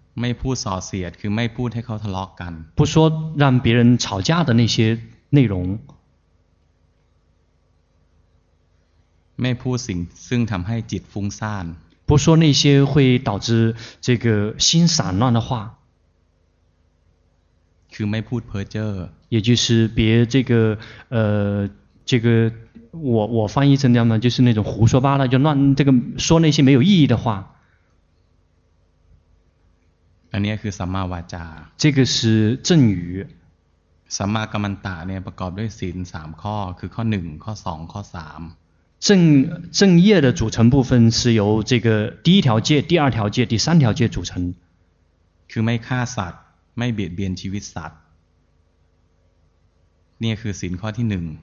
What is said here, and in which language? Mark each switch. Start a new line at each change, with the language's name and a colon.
Thai: ไม่พูดส่อเสียดคือไม่พูดให้เขาทะเลาะ กัน
Chinese: 不说让别人吵架的那些内容
Thai: ไม่พูดสิ่งซึ่งทำให้จิตฟุ้งซ่าน
Chinese: 不说那些会导致这个心散乱的话
Thai: คือไม่พูดเพ้อเจ้อ
Chinese: 也就是别这个这个我翻译成这样呢就是那种胡说八道就乱这个说那些没有意义的话
Thai: อันนี้คือสัมมาวาจา
Chinese: 这个是正语
Thai: สัมมากัมมันตะเนี่ยประกอบด้วยศีล3ข้อคือข้อ1ข้อ2ข้อ3
Chinese: 正业的组成部分是由这个第一条戒第二条戒第三条戒组成
Thai: คือไม่ฆ่าสัตว์ไม่เบียดเบียนชีวิตสัตว์เนี่ยคือศีลข้อที่1